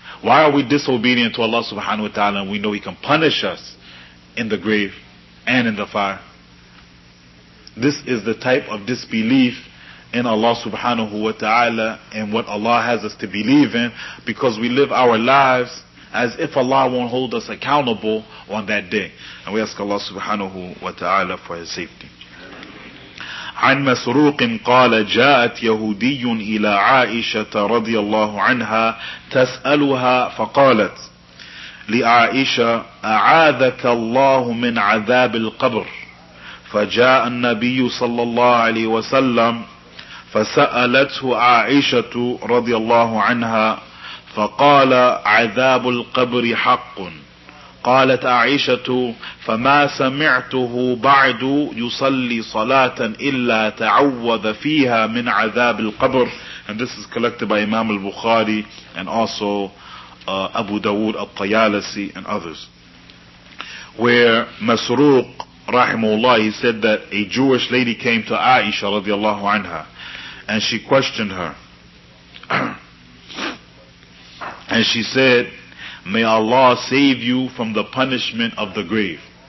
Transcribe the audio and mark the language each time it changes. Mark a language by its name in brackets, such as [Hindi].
[English] Why are we disobedient to Allah subhanahu wa ta'ala and we know He can punish us in the grave and in the fire? This is the type of disbelief in Allah subhanahu wa ta'ala and what Allah has us to believe in, because we live our lives as if Allah won't hold us accountable on that day. And we ask Allah subhanahu wa ta'ala for His safety. [Arabic] عن مسروق قال جاءت يهودي إلى عائشة رضي الله عنها تسألها فقالت لعائشة أعاذك الله من عذاب القبر فجاء النبي صلى الله عليه وسلم فسألته عائشة رضي الله عنها فقال عذاب القبر حق قالت عائشة فما سمعته بعد يصلي صلاة إلا تعوذ فيها من عذاب القبر. [English] And this is collected by Imam al-Bukhari and also Abu Dawood al-Qayalisi and others, where Masruq rahimahullah, he said that a Jewish lady came to Aisha radiallahu anha and she questioned her and she said, may Allah save you from the punishment of the grave.